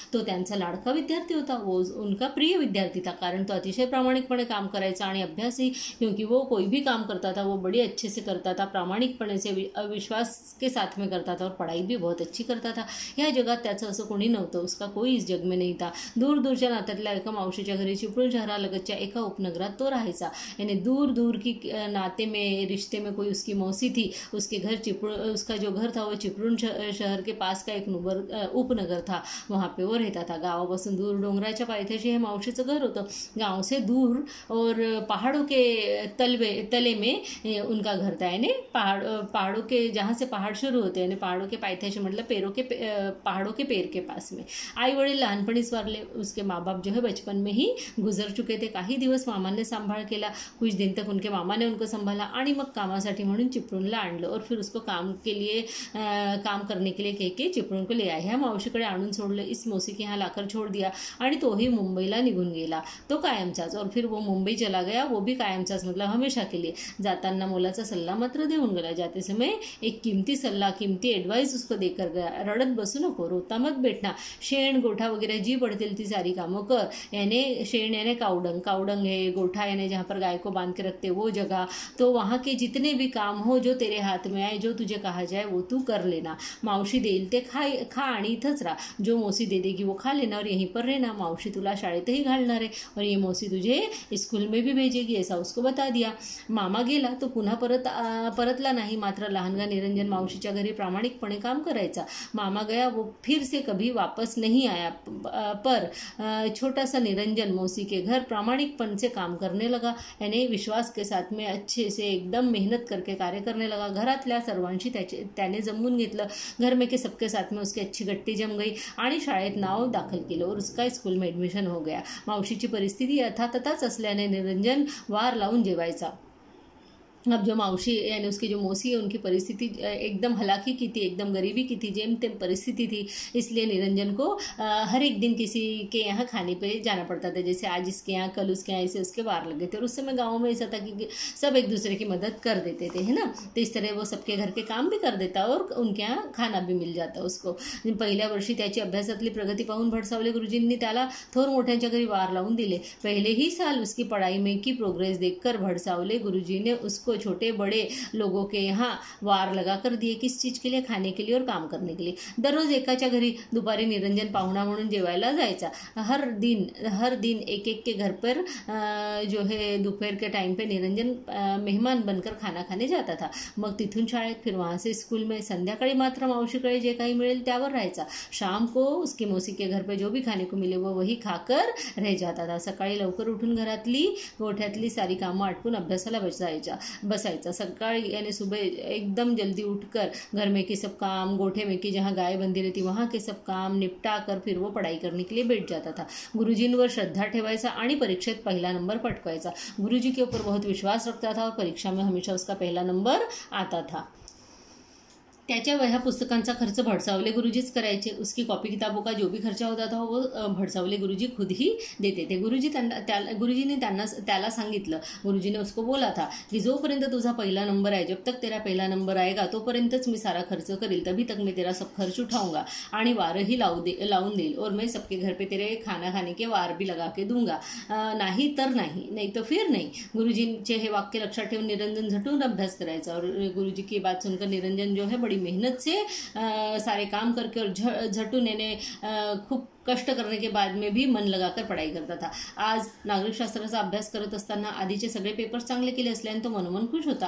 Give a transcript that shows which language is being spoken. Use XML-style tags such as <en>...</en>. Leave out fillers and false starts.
<mr>तो त्यांचा लाडका विद्यार्थी होता,</mr> <hi>वो उनका प्रिय विद्यार्थी था,</hi> <mr>कारण तो अतिशय प्रामाणिकपणे काम करायचा आणि अभ्यासही,</mr> <hi>क्योंकि वो कोई भी काम करता था वो बड़े अच्छे से करता था, प्रामाणिकपणे से विश्वास के साथ में करता था, और पढ़ाई भी बहुत अच्छी करता था।</hi> <mr>या जगात त्याचं असं कोणी नव्हतं,</mr> <hi>उसका कोई इस जग में नहीं था। दूर दूर</hi> <mr>त्याच्या नात्यातल्या एका मावशीच्या घरी, चिपळूण शहरालगतच्या एका उपनगरात तो राहायचा.</mr> <hi>याने दूर दूर की नाते मे रिश्ते में कोई उसकी मौसी थी, उसके घर चिपळूण, उसका जो घर था वो चिपळूण शहर के पास का एक नुबर उपनगर था, वहाँ पे वो रहता था.</hi> <mr>गावापासून दूर डोंगराच्या पायथ्याशी हे मावशीचं घर होतं.</mr> <hi>गाव से दूर और पहाड़ों के तले में उनका घर था. यानी पहाड़ों के जहाँ से पहाड़ शुरू होते हैं, पहाड़ों के पायथ्याशी मतलब पेड़ों के पहाड़ों के पेड़ के पास में.</hi> <mr>आई वड़ील लहानपणीच वारले.</mr> <hi>उसके माँ बाप जो है बचपन में ही गुजर चुके थे.</hi> <mr>काही दिवस मामा ने संभाळ केला,</mr> <hi>कुछ दिन तक उनके मामा ने उनको संभाला</hi> <mr>आणि मग कामासाठी म्हणून चिपळूणला आणलं.</mr> <hi>और फिर उसको काम के लिए काम करने के लिए कह के चिपळूण को ले आए.</hi> <mr>ह्या मावशीकडे आणून सोडलं,</mr> <hi>इस मौसी के यहाँ लाकर छोड़ दिया</hi> <mr>आणि तोही मुंबईला निघून गेला तो कायमचाच.</mr> <hi>और फिर वो मुंबई चला गया, वो भी कायमचाच मतलब हमेशा के लिए.</hi> <mr>जाताना मुलाचा सल्ला मात्र देऊन गेला.</mr> <hi>जाते समय एक किमती सल्ला, किमती एडवाइस उसको देकर गया.</hi> <mr>रडत बसू नको,</mr> <hi>रोता मत बैठना,</hi> <mr>शेण गोठा वगैरह जी पडतील ती सारी कामं कर.</mr> <hi>याने शेण याने कावडंग, कावडंग है गोठा, याने जहाँ पर गाय को बांध के रखते वो जगह. तो वहाँ के जितने भी काम हो, जो तेरे हाथ में आए, जो तुझे कहा जाए वो तू कर लेना.</hi> <mr>मावशी देईल ते खा आणि इथंच रहा.</mr> <hi>जो मौसी दे देगी वो खा लेना और यहीं पर रहना.</hi> <mr>मावशी तुला शाळेतही घालणार आहे</mr> <hi>और ये मौसी तुझे स्कूल में भी भेजेगी, ऐसा उसको बता दिया.</hi> <mr>मामा गेला तो पुन्हा परतला नाही, मात्र लहानगा निरंजन मावशीच्या घरी प्रामाणिकपणे काम करायचा.</mr> <hi>मामा गया वो फिर से कभी वापस नहीं आया, पर छोटा सा निरंजन मौसी के घर प्रामाणिकपण से काम करने लगा. याने विश्वास के साथ में अच्छे से एकदम मेहनत करके कार्य करने लगा.</hi> <mr>घरातल्या सर्वांशी त्याने जमवून घेतलं.</mr> <hi>घर में के सबके साथ में उसकी अच्छी गट्टी जम गई</hi> <mr>आणि शाळेत नाव दाखल केलं</mr> <hi>और उसका स्कूल में ॲडमिशन हो गया.</hi> <mr>मावशीची परिस्थिती यथातथाच असल्याने निरंजन वार लावून जेवायचा.</mr> <hi>अब जो मावशी यानी उसकी जो मौसी है, उनकी परिस्थिति एकदम हलाकी की थी, एकदम गरीबी की थी, जेम तेम परिस्थिति थी. इसलिए निरंजन को हर एक दिन किसी के यहाँ खाने पे जाना पड़ता था. जैसे आज इसके यहाँ, कल उसके यहाँ, ऐसे उसके बाहर लग गए थे. और उस समय गाँव में ऐसा था कि सब एक दूसरे की मदद कर देते थे, है ना. तो इस तरह वो सबके घर के काम भी कर देता और उनके यहाँ खाना भी मिल जाता उसको.</hi> <mr>पहिल्या वर्षी त्याची अभ्यासातली प्रगती पाहून भडसावले गुरुजींनी त्याला थोर मोठ्यांच्या घरी वार लावून दिले.</mr> <hi>पहिले ही साल उसकी पढाई में की प्रोग्रेस देख कर भडसावले गुरुजी ने उसको छोटे बड़े लोगों के यहाँ वार लगा कर दिए. किस चीज़ के लिए? खाने के लिए और काम करने के लिए.</hi> <mr>दररोज एकाच्या घरी दुपारी निरंजन पाहुणा म्हणून जेवायला जायचा.</mr> <hi>हर दिन एक एक के घर पर जो है दोपहर के टाइम पे निरंजन मेहमान बनकर खाना खाने जाता था.</hi> <mr>मग तिथुन शाळेत,</mr> <hi>फिर वहाँ से स्कूल में.</hi> <mr>संध्याकाळी मात्र मावशीकडे जे काही मिळेल त्यावर राहायचा.</mr> <hi>शाम को उसके मौसी के घर पर जो भी खाने को मिले वो वही खाकर रह जाता था.</hi> <mr>सकाळी लवकर उठून घरातली गोठ्यातली सारी कामं आटपून अभ्यासाला बसायचा.</mr> <hi>सकाळी याने सुबह एकदम जल्दी उठकर घर में की सब काम, गोठे में की जहाँ गाय बंदी रहती वहाँ के सब काम निपटा कर फिर वो पढ़ाई करने के लिए बैठ जाता था.</hi> <mr>गुरुजींवर श्रद्धा ठेवायचा आणि परीक्षेत पहिला नंबर पटकवायचा.</mr> <hi>गुरुजी के ऊपर बहुत विश्वास रखता था और परीक्षा में हमेशा उसका पहला नंबर आता था.</hi> <mr>त्याच्या वह्या पुस्तकांचा खर्च भडसावले गुरुजीच करायचे.</mr> <hi>उसकी कॉपी किताबों का जो भी खर्चा होता था वो भडसावले गुरुजी खुद ही देते थे.</hi> <mr>गुरुजी ने त्याला सांगितलं.</mr> <hi>गुरुजी ने उसको बोला था की</hi> <mr>जोपर्यंत तुझा पहिला नंबर आहे,</mr> <hi>जब तक तेरा पहिला नंबर आएगा</hi> <mr>तोपर्यंतच मी सारा खर्च करील.</mr> <hi>तभी तक मी तेरा सब खर्च उठाऊंगा</hi> <mr>आणि वारही लावून देईल</mr> <hi>और मैं सबके घर पे तेरे खाना खाने के वार भी लगा के दूंगा.</hi> <mr>नाही तर नाही, नाही तर फिर नाही. गुरुजींचे हे वाक्य लक्षात ठेवून निरंजन झटून अभ्यास करायचा.</mr> <hi>और गुरुजी की बात सुनकर निरंजन जो है मेहनत से सारे काम करके और झटून ने खूब कष्ट करने के बाद में भी मन लगाकर पढ़ाई करता था.</hi> <mr>आज नागरिक शास्त्राचा अभ्यास करत असताना आधीचे सगळे पेपर चांगले केले असल्याने तो मनोमन खुश होता.</mr>